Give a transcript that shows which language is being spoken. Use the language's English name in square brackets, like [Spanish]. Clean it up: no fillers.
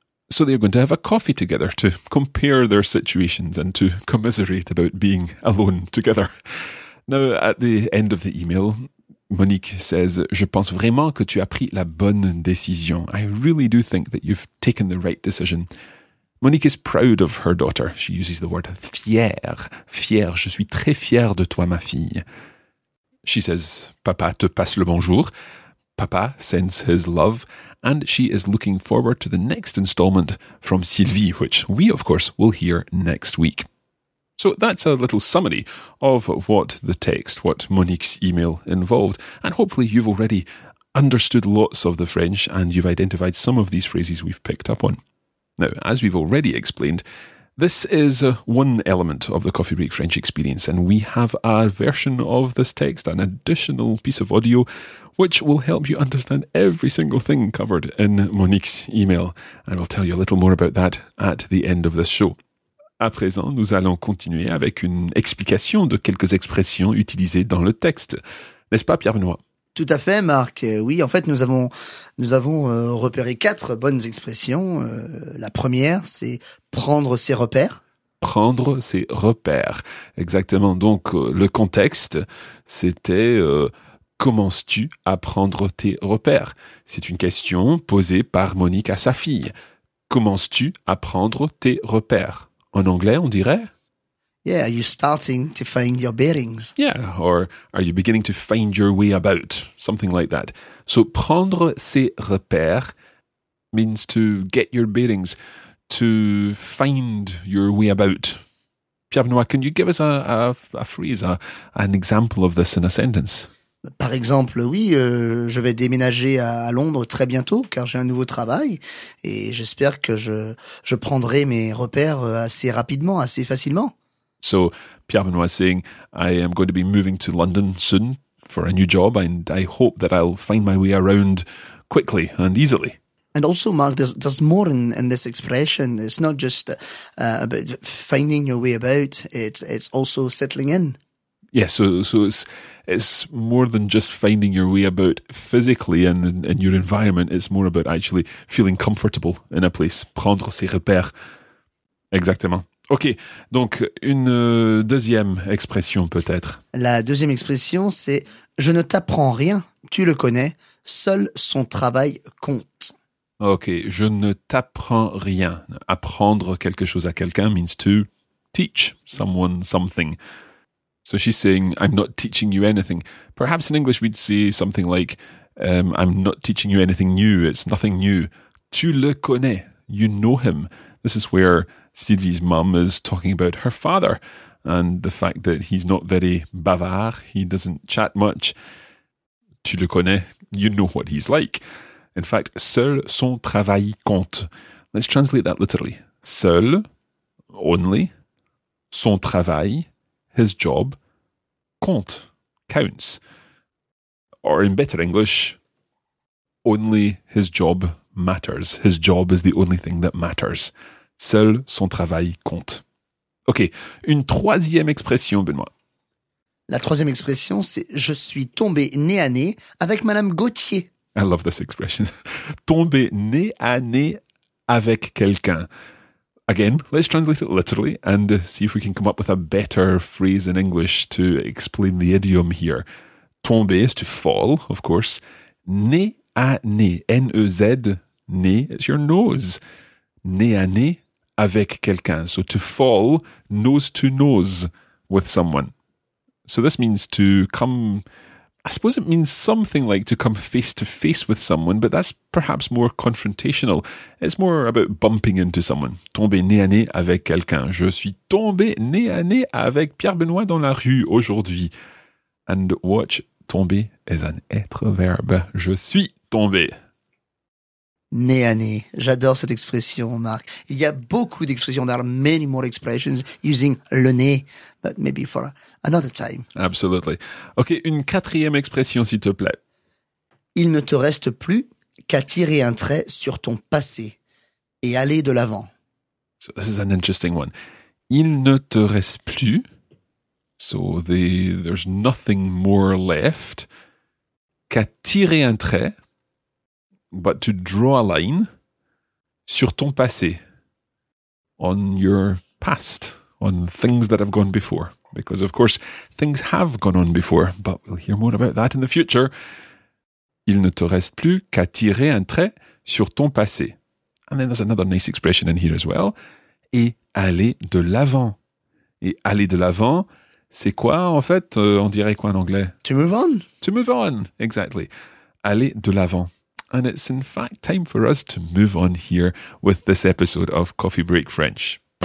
[English] So they're going to have a coffee together to compare their situations and to commiserate about being alone together. Now, at the end of the email, Monique says, [French] "Je pense vraiment que tu as pris la bonne décision." [English] I really do think that you've taken the right decision. Monique is proud of her daughter. She uses the word fière. Fière. [French] Je suis très fière de toi, ma fille. [English] She says, [French] "Papa te passe le bonjour." [English] Papa sends his love. And she is looking forward to the next installment from Sylvie, which we, of course, will hear next week. So that's a little summary of what the text, what Monique's email involved. And hopefully you've already understood lots of the French and you've identified some of these phrases we've picked up on. Now, as we've already explained, this is one element of the Coffee Break French experience. And we have a version of this text, an additional piece of audio, which will help you understand every single thing covered in Monique's email. And I'll tell you a little more about that at the end of this show. [French] À présent, nous allons continuer avec une explication de quelques expressions utilisées dans le texte. N'est-ce pas, Pierre-Benoît ? Tout à fait, Marc. Oui, en fait, nous avons repéré quatre bonnes expressions. La première, c'est « prendre ses repères ». Prendre ses repères. Exactement. Donc, le contexte, c'était « commences-tu à prendre tes repères ?» C'est une question posée par Monique à sa fille. « Commences-tu à prendre tes repères ?» En anglais, on dirait? [English] Yeah, are you starting to find your bearings? Yeah, or are you beginning to find your way about? Something like that. So, [French] prendre ses repères [English] means to get your bearings, to find your way about. Pierre-Benoît, can you give us a phrase, an example of this in a sentence? [French] Par exemple, oui, je vais déménager à Londres très bientôt car j'ai un nouveau travail et j'espère que je prendrai mes repères assez rapidement, assez facilement. [English] So, Pierre-Benoît saying, I am going to be moving to London soon for a new job and I hope that I'll find my way around quickly and easily. And also, Mark, there's more in this expression. It's not just about finding your way about, it's also settling in. Yeah, so it's more than just finding your way about physically and in your environment. It's more about actually feeling comfortable in a place. [French] Prendre ses repères. Exactement. OK, donc une deuxième expression peut-être. La deuxième expression, c'est « Je ne t'apprends rien, tu le connais, seul son travail compte ». OK, « Je ne t'apprends rien ». [English] Apprendre quelque chose à quelqu'un means to teach someone something. So she's saying, I'm not teaching you anything. Perhaps in English we'd say something like, I'm not teaching you anything new. It's nothing new. [French] Tu le connais. [English] You know him. This is where Sylvie's mum is talking about her father and the fact that he's not very bavard. He doesn't chat much. [French] Tu le connais. [English] You know what he's like. In fact, [French] seul son travail compte. [English] Let's translate that literally. Seul, only, son travail, his job, compte, counts. Or in better English, only his job matters. His job is the only thing that matters. [French] Seul son travail compte. [English] Okay, [French] une troisième expression, Benoît. La troisième expression, c'est « je suis tombé nez à nez avec Madame Gauthier ». [English] I love this expression. [French] Tomber nez à nez avec quelqu'un. [English] Again, let's translate it literally and see if we can come up with a better phrase in English to explain the idiom here. Tomber is to fall, of course. [French] Nez à nez. [English] N-E-Z, nez, it's your nose. [French] Nez à nez avec quelqu'un. [English] So to fall nose to nose with someone. So this means to come... I suppose it means something like to come face to face with someone, but that's perhaps more confrontational. It's more about bumping into someone. Tomber nez à nez avec quelqu'un. [French] Je suis tombé nez à nez avec Pierre Benoît dans la rue aujourd'hui. [English] And watch, tomber is an être verbe. [French] Je suis tombé. Nez à nez. J'adore cette expression, Marc. Il y a beaucoup d'expressions. [English] There are many more expressions using [French] le nez, [English] but maybe for another time. Absolutely. [French] OK, une quatrième expression, s'il te plaît. Il ne te reste plus qu'à tirer un trait sur ton passé et aller de l'avant. [English] So this is an interesting one. [French] Il ne te reste plus. [English] So there's nothing more left [French] qu'à tirer un trait. [English] But to draw a line [French] sur ton passé, [English] on your past, on things that have gone before. Because, of course, things have gone on before, but we'll hear more about that in the future. [French] Il ne te reste plus qu'à tirer un trait sur ton passé. [English] And then there's another nice expression in here as well. [French] Et aller de l'avant. Et aller de l'avant, c'est quoi, en fait, on dirait quoi en anglais? [English] To move on. To move on, exactly. [French] Aller de l'avant. [English] And it's in fact time for us to move on here with this episode of Coffee Break French.